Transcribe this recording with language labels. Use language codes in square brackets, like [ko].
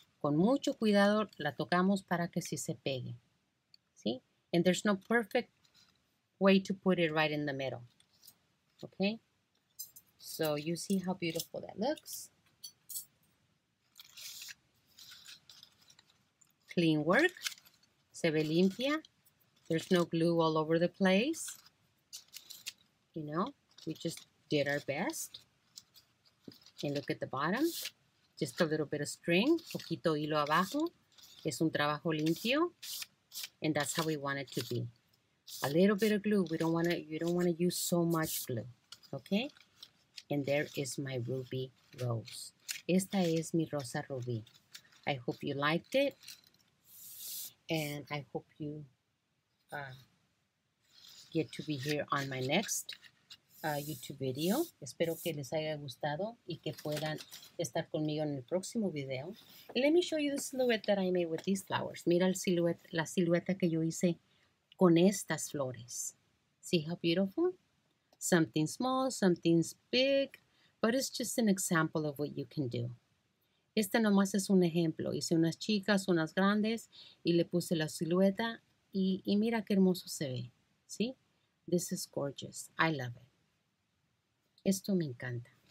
[es] Con mucho cuidado la tocamos para que sí se pegue. ¿Sí? [en] And there's no perfect way to put it right in the middle. Okay? So you see how beautiful that looks. Clean work. [es] Se ve limpia. [en] There's no glue all over the place. You know, we just did our best. And look at the bottom. Just a little bit of string. [es] Poquito hilo abajo. Es un trabajo limpio. [en] And that's how we want it to be. A little bit of glue. You don't want to use so much glue. Okay? And there is my ruby rose. [es] Esta es mi rosa rubí. [en] I hope you liked it. And I hope you get to be here on my next YouTube video. [es] Espero que les haya gustado y que puedan estar conmigo en el próximo video. [en] Let me show you the silhouette that I made with these flowers. [es] Mira el silhouette, la silueta que yo hice con estas flores. [en] See how beautiful? Something small, something's big, but it's just an example of what you can do. [es] Este nomás es un ejemplo. Hice unas chicas, unas grandes, y le puse la silueta. Y mira qué hermoso se ve, ¿sí? [en] This is gorgeous. I love it. [es] Esto me encanta.